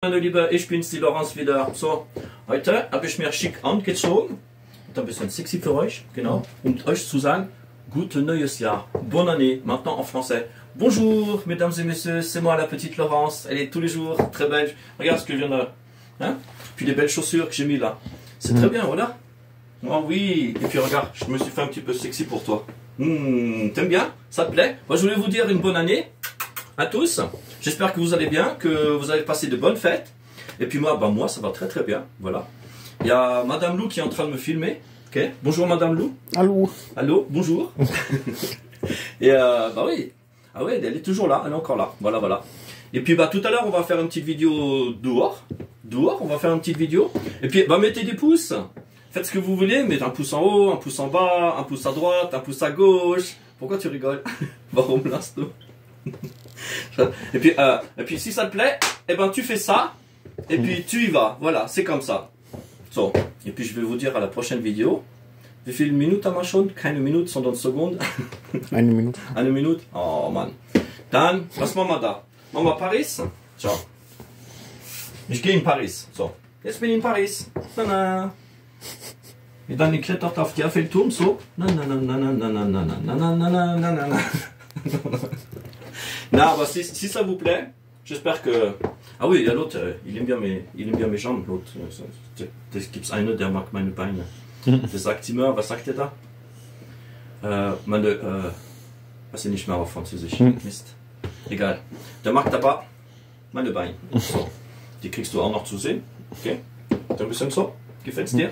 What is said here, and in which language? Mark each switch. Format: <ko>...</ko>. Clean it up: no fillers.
<de>Hallo Lieber, ich bin's, die Laurence wieder. So, heute habe ich mir schick angezogen und ein bisschen sexy für euch, genau, um euch zu sagen, gute neues Jahr,</de> <fr>bonne année, maintenant en français. Bonjour, mesdames et messieurs, c'est moi la petite Laurence, elle est tous les jours très belle. Regarde ce que je viens de... Hein? Puis les belles chaussures que j'ai mis là. C'est très bien, voilà. Oh oui, et puis regarde, je me suis fait un petit peu sexy pour toi. T'aimes bien? Ça te plaît? Moi, je voulais vous dire une bonne année à tous. J'espère que vous allez bien, que vous avez passé de bonnes fêtes. Et puis moi, ben moi ça va très très bien. Voilà. Il y a Madame Lou qui est en train de me filmer. Okay. Bonjour Madame Lou. Allô. Allô, bonjour. Et bah ben oui. Ah oui, elle est toujours là, elle est encore là. Voilà, voilà. Et puis ben, tout à l'heure, on va faire une petite vidéo dehors. Dehors, on va faire une petite vidéo. Et puis, ben, mettez des pouces. Faites ce que vous voulez. Mettez un pouce en haut, un pouce en bas, un pouce à droite, un pouce à gauche. Pourquoi tu rigoles? Varum lasto. Et puis si ça te plaît, eh ben tu fais ça et puis tu y vas. Voilà, c'est comme ça. So, et puis je vais vous dire à la prochaine vidéo.</fr> <de>Wie viele Minuten haben wir schon? Keine Minute, sondern Sekunde. Eine Minute. Eine Minute. Oh man. Dann, was machen wir da? Machen wir Paris? Ciao. Ich gehe in Paris. So, jetzt bin ich in Paris. Na na. Et dann ich klettert auf die Eiffelturm so. Na na na na na na na na na na na na na na na.</de> <fr>Non, bah, si ça vous plaît, j'espère que... Ah oui, il y a l'autre, il aime bien mes jambes, l'autre.</fr> <de>Es gibt einen, der mag meine Beine. Das sagt immer, was sagt er da? Was ist nicht mehr auf Französisch? Mist. Egal. Der mag aber meine Beine. So. Die kriegst du auch noch zu sehen. Okay. Ist ein bisschen so. Gefällt's dir?</de>